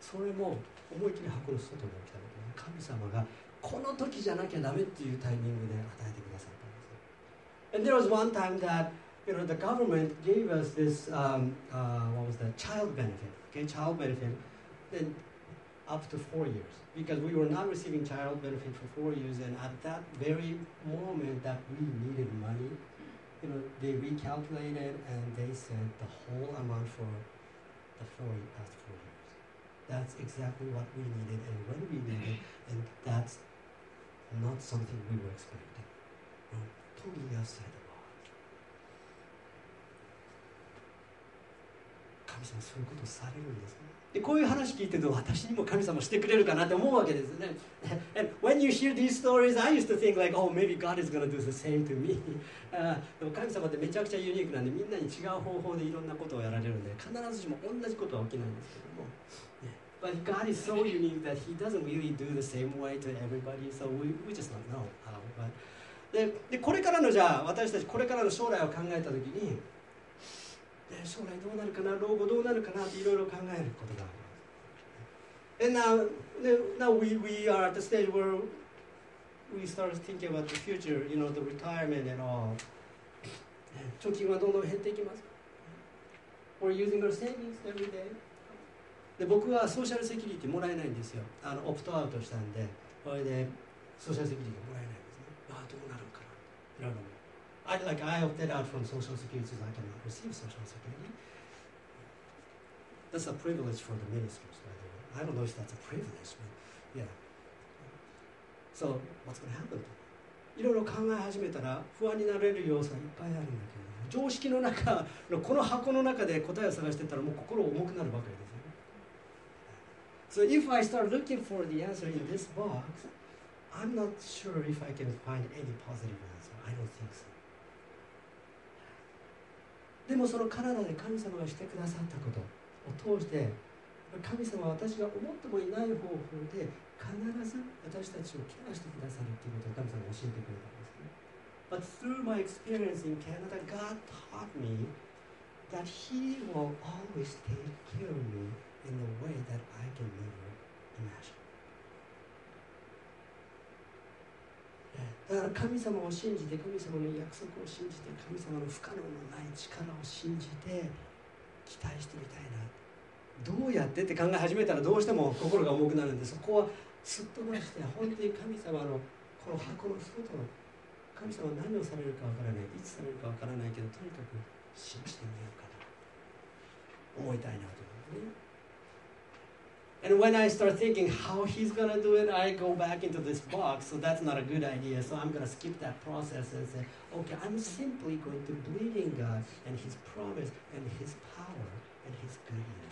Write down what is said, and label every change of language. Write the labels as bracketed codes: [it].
[ja] それも思い切り箱の外に起きたこと、神様がこの時じゃなきゃダメっていうタイミングで与えてくださったんです。 [en] And there was one time that, you know, the government gave us this, what was that? Child benefit. Okay, child benefit. Then,up to 4 years, because we were not receiving child benefit for 4 years, and at that very moment that we needed money, you know, they recalculated and they sent the whole amount for the past four years. That's exactly what we needed and when we needed, and that's not something we were expecting. We're totally outside the box. [ja] 神様そういうことされるんですね。でこういう話聞いてると私にも神様してくれるかなって思うわけですね。 [en] And when you hear these stories, I used to think like, oh, maybe God is going to do the same to me. [ja] でも神様ってめちゃくちゃユニークなんで、みんなに違う方法でいろんなことをやられるんで、必ずしも同じことは起きないんですけども。 [en] But God is so unique that He doesn't really do the same way to everybody, so we just don't know how. [ja] But, でこれからのじゃあ、私たちこれからの将来を考えたときに、将来どうなるかな、老後どうなるかなっていろいろ考えることがあります。 [en] And now we are at the stage where we start thinking about the future, you know, the retirement and all. [ja] 貯金はどんどん減っていきます。 [en] We're using our savings every day. [ja] で僕はソーシャルセキュリティもらえないんですよ。オプトアウトしたんで、それでソーシャルセキュリティもらえないんですね。まあどうなるかな、いろいろ。 [en] I opted out from social security, so I cannot receive social security. That's a privilege for the ministers, by the way. I don't know if that's a privilege, but yeah. So, what's going to happen? [ja] いろいろ考え始めたら不安になれる要素がいっぱいあるんだけど、常識の中のこの箱の中で答えを探してたらもう心重くなるばかりですよ。 [en] So if I start looking for the answer in this box, I'm not sure if I can find any positive answer. I don't think so. [ja] でもそのカナダで神様がしてくださったことを通して、神様は私が思ってもいない方法で必ず私たちをケアしてくださるということを神様が教えてくれたんですね。 [en] But through my experience in Canada, God taught me that He will always take care of me in a way that I can never imagine. [ja] だから神様を信じて、神様の約束を信じて、神様の不可能のない力を信じて期待してみたいな、どうやってって考え始めたらどうしても心が重くなるんで、そこはすっ飛ばして、本当に神様のこの箱の外の神様は何をされるかわからない、いつされるかわからないけど、とにかく信じてみようかな、思いたいなと思って、ね、 [en] And when I start thinking how he's gonna do it, I go back into this box, so that's not a good idea, so I'm gonna skip that process and say, okay, I'm simply going to believe in God and his promise and his power and his goodness.